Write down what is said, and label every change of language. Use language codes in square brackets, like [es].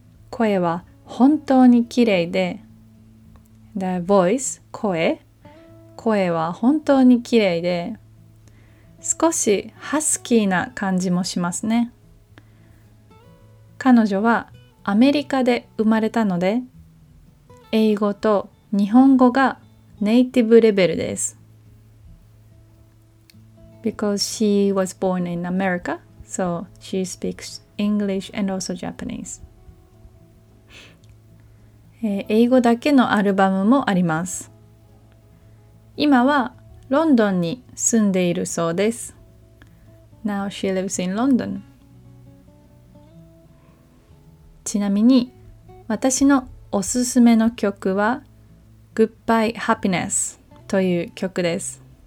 [ja] 声は本当に綺麗で、The voice, 声は本当に綺麗で、少しハスキーな感じもしますね。彼女はアメリカで生まれたので、英語と日本語がネイティブレベルです。 [en] Because she was born in America, so she speaks English and also Japanese. [ja] 英語だけのアルバムもあります。今はロンドンに住んでいるそうです。 [en] Now she lives in London. [ja] ちなみに、私のおすすめの曲は Goodbye Happiness という曲です。